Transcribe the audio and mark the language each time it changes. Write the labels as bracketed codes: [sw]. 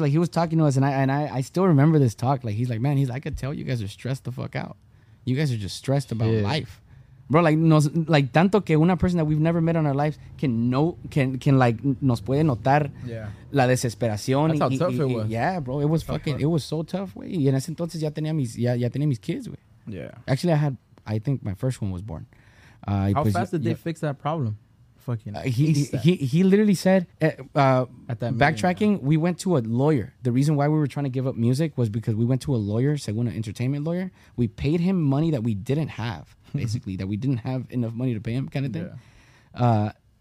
[en] Like, he was talking to us, and I still remember this talk. Like, he's like, man, he's like, I could tell you guys are stressed the fuck out. You guys are just stressed about life. Bro, like, [es] tanto que una [en] person that we've never met in our lives can [es] nos puede notar la desesperación. [en] That's how tough it was. Yeah, bro, it was fucking, it was so tough, güey. [es] Y en ese entonces ya tenía mis kids, güey. [en] Yeah. Actually, I think my first one was born. How fast did they fix that problem? Fucking he literally said at that backtracking meeting, we went to a lawyer. The reason why we were trying to give up music was because we went to a lawyer, Segunda entertainment lawyer. We paid him money that we didn't have, basically that we didn't have enough money to pay him, kind of thing.